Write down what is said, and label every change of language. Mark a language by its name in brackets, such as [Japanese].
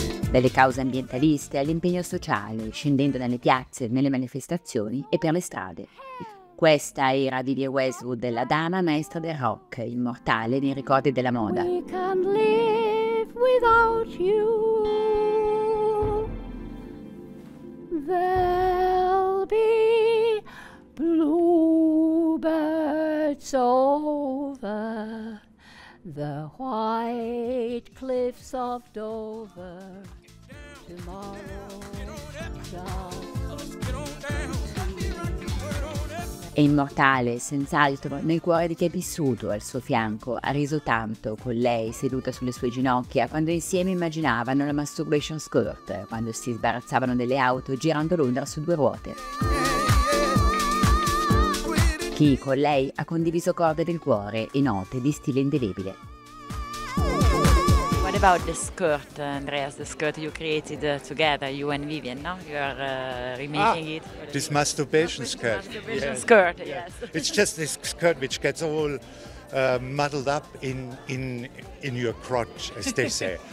[Italian] Dalle cause ambientaliste all'impegno sociale, scendendo nelle piazze, nelle manifestazioni e per le strade. Questa era Vivienne Westwood, la dama maestra del rock, immortale nei ricordi della moda. [English] We can't live without you. There'll be bluebirds over the white cliffs of Dover. [Italian] È immortale, senz'altro, nel cuore di chi ha vissuto al suo fianco, ha riso tanto con lei seduta sulle sue ginocchia quando insieme immaginavano la masturbation skirt, quando si sbarazzavano delle auto girando Londra su due ruote. Chi con lei ha condiviso corde del cuore e note di stile indelebile. [English] What about the skirt, Andreas? The skirt you created together, you and Vivian, no? You are remaking it. This masturbation skirt. Masturbation skirt, yes. It's just this skirt which gets all muddled up in your crotch, as they say.